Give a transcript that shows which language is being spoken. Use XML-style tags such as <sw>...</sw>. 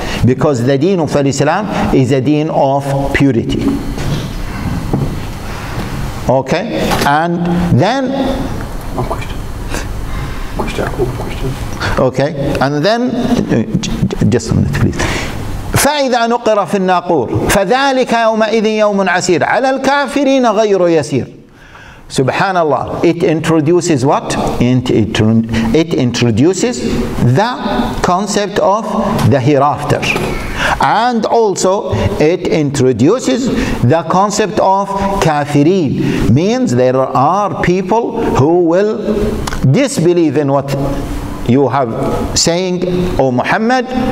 <en>Because the deen of Islam is a deen of purity. Okay, and then one question. Okay, and then just a minute, please.</en> <ar>فإذا نقر في الناقور فذلك يومئذ يوم عسير على الكافرين غير يسير.</ar> <en>Subhanallah, it introduces what? It introduces the concept of the hereafter. And also, it introduces the concept of kafirin. Means there are people who will disbelieve in what you have saying, O Muhammad.</en>